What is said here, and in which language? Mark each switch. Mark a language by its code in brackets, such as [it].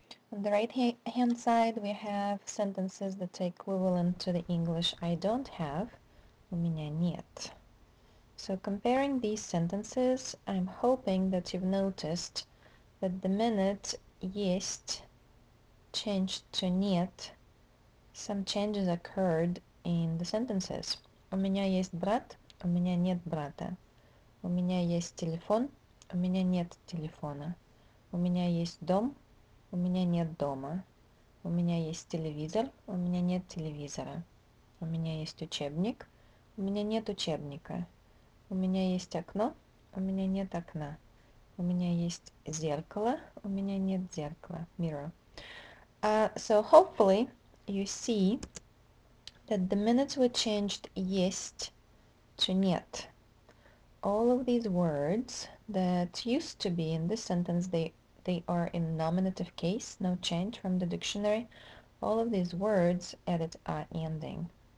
[en] On the right-hand side we have sentences that are equivalent to the English I don't have. [ru] У меня нет. [en] So comparing these sentences, I'm hoping that you've noticed that the minute есть changed to нет, some changes occurred in the sentences. [ru] У меня есть брат, у меня нет брата. У меня есть телефон, у меня нет телефона. У меня есть дом, у меня нет дома. У меня есть телевизор, у меня нет телевизора. У меня есть учебник, у меня нет учебника. У меня есть окно, у меня нет окна. У меня есть зеркало, у меня нет зеркала, mirror. [en] So hopefully you see that the minute we changed есть to нет, all of these words that used to be in this sentence, they are in nominative case, no change from the dictionary, all of these words added a ending.